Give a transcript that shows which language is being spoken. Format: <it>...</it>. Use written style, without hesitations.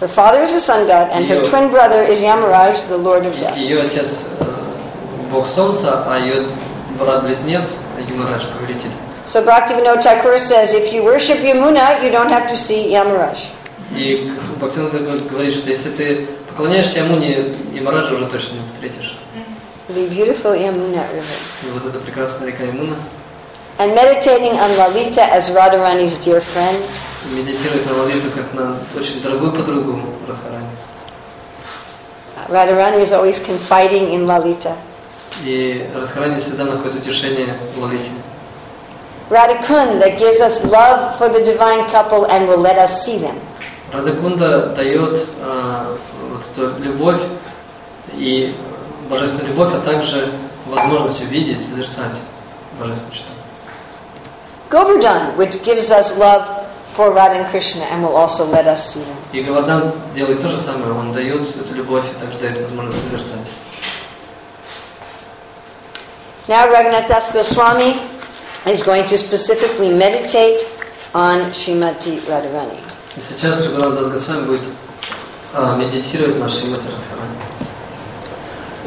<en>Her father is a sun god, and her twin brother is Yamaraj, the lord of death. Your father is</en> <ru>бог солнца, а</ru> <en>your brother is Yamaraj,</en> <ru>повелитель.</ru> <en>So Bhaktivinoda Thakur says, if you worship Yamuna, you don't have to see Yamaraj.</en> <ru>И Бхактивинода говорит, что если ты поклоняешься Ямуне, Ямараджа уже точно не встретишь.</ru> <en>The beautiful Yamuna River.</en> <ru>И вот эта прекрасная река Ямуна.</ru> <en>And meditating on Lalita as Radharani's dear friend.</en> <ru>Медитировать на Лалиту как на очень дорогую подругу Радхарани.</ru> <en>Radharani is always confiding in Lalita.</en> <ru>И Радхарани всегда находит утешение в Лалите.</ru> <en>Radhakund that gives us love for the divine couple and will let us see them.</en> <ru>Radhakunda дает вот эту любовь и божественную любовь, а также возможность увидеть, созерцать божественную чету.</ru> <en>Govardhan, which gives us love for Radha and Krishna and will also let us see them.</en> <ru>И Govardhan делает то же самое, он дает эту любовь и также дает возможность созерцать.</ru> <en>Now Raghunath Das Goswami is going to specifically meditate on Srimati Radharani.</en> <ru>Сейчас Раганатха Дас Госвами будет медитировать на Шримати Радхарани.</ru>